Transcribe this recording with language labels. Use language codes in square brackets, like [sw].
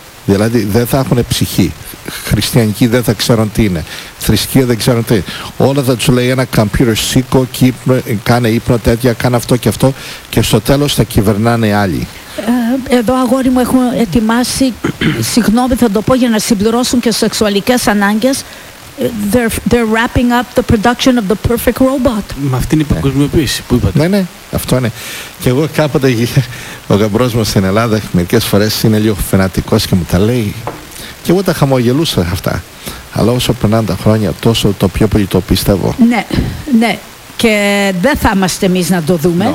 [el] Δηλαδή δεν θα έχουν ψυχή. Χριστιανικοί δεν θα ξέρουν τι είναι. Θρησκεία δεν ξέρουν τι είναι. Όλα θα τους λέει ένα computer, σήκω, κάνε ύπνο τέτοια, κάνε αυτό και αυτό, και στο τέλος θα κυβερνάνε άλλοι. Εδώ, αγόρι μου, έχουμε ετοιμάσει, συγγνώμη θα το πω, για να συμπληρώσουν και σεξουαλικές ανάγκες. [en] They're wrapping up the production of the perfect robot. [el] Με αυτήν την παγκοσμιοποίηση που είπατε. Ναι, ναι, αυτό είναι. Και εγώ κάποτε, ο γαμπρός μου στην Ελλάδα, μερικές φορές είναι λίγο φανατικός και μου τα λέει. Και εγώ τα χαμογελούσα αυτά. Αλλά όσο περνάνε τα χρόνια, τόσο το πιο πολύ το πιστεύω. Ναι, ναι. Και δεν θα είμαστε εμείς να το δούμε.